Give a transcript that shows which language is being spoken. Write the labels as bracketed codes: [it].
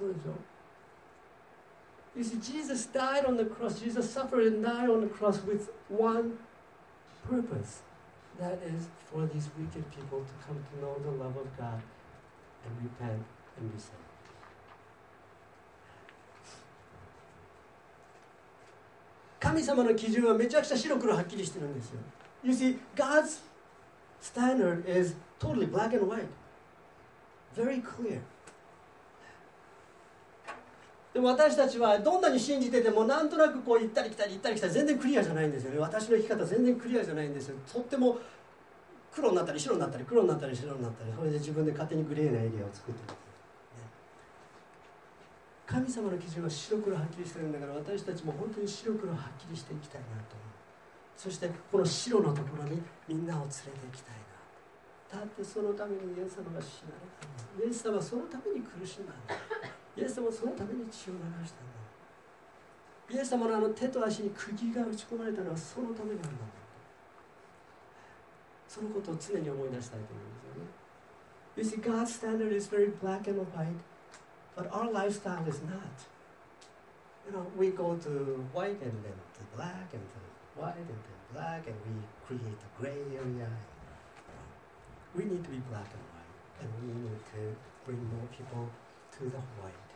[ja] そうでしょう。 [en] You see, Jesus died on the cross. Jesus suffered and died on the cross with one purpose. That is for these wicked people to come to know the love of God and repent and be saved. [ja] 神様の基準はめちゃくちゃ白黒はっきりしてるんですよ。 [en] You see, God's standard is totally black and white. Very clear. [ja] でも私たちはどんなに信じててもなんとなくこう行ったり来たり行ったり来たり全然クリアじゃないんですよね。私の生き方全然クリアじゃないんですよ。とっても黒になったり白になったり黒になったり白になったり、それで自分で勝手にグレーなエリアを作ってる。神様の基準は白黒はっきりしてるんだから、私たちも本当に白黒はっきりしていきたいなと思う。そしてこの白のところにみんなを連れていきたいな。だってそのためにイエス様が死なれたんだ。イエス様はそのために苦しんだんだ。イエス様はそのために血を流したんだ。イエス様のあの手と足に釘が打ち込まれたのはそのためなんだ。そのことを常に思い出したいと思うんですよね。 [en] You see, God's standard is very black and white. But our lifestyle is not. You know, we go to white and then to black and to white and then black and we create a gray area. We need to be black and white. And we need to bring more people to the white.